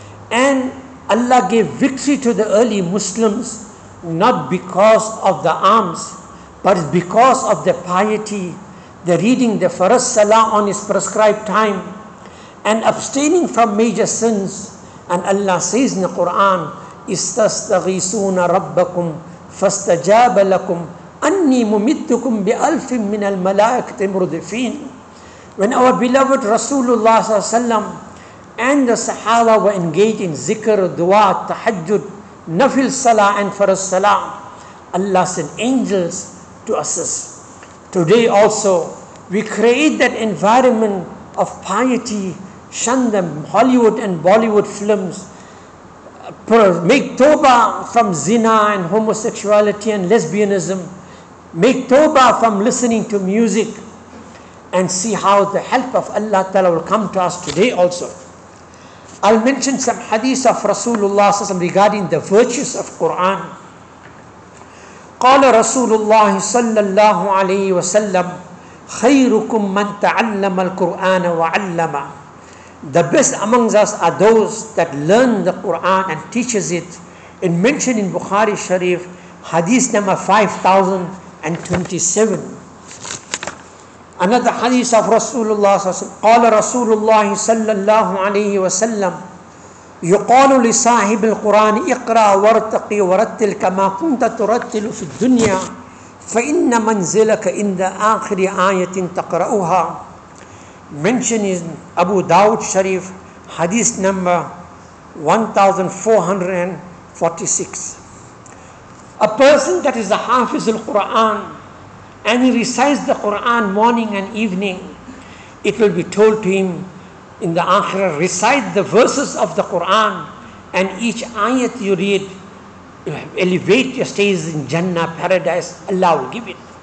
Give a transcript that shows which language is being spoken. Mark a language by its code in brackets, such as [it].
[en] and Allah gave victory to the early Muslims, not because of the arms, but because of their piety, the reading the Faraz Salah on his prescribed time, and abstaining from major sins. And Allah says in the Quran, [ar] استستغيثون ربكم فاستجاب لكم أني ممدكم بألف من الملائكة مردفين. [en] When our beloved Rasulullah صلى الله عليه وسلم and the Sahaba were engaged in zikr, dua, tahajjud, nafil salah and faras salah, Allah sent angels to assist. Today also, we create that environment of piety, shun them, Hollywood and Bollywood films, make tawbah from zina and homosexuality and lesbianism, make tawbah from listening to music, and see how the help of Allah Ta'ala will come to us today also. I'll mention some hadith of Rasulullah SAW regarding the virtues of Quran. [ar] قال رسول الله صلى الله عليه وسلم خيركم من تعلم القرآن وعلم. [en] The best among us are those that learn the Quran and teaches it. In mentioning Bukhari Sharif, hadith number 5027. Another hadith of Rasulullah [ar] صلى الله عليه وسلم قال رسول الله صلى الله عليه وسلم يقال لصاحب القرآن اقرأ وارتقي ورتل كما كنت ترتل في الدنيا فإن منزلك عند آخر آية تقرأها. [en] Mentioning Abu Dawud Sharif, hadith number 1446. A person that is a hafiz al-Quran and he recites the Quran morning and evening, it will be told to him in the Akhirah, recite the verses of the Quran, and each ayat you read, elevate your stays in Jannah, paradise, Allah will give it.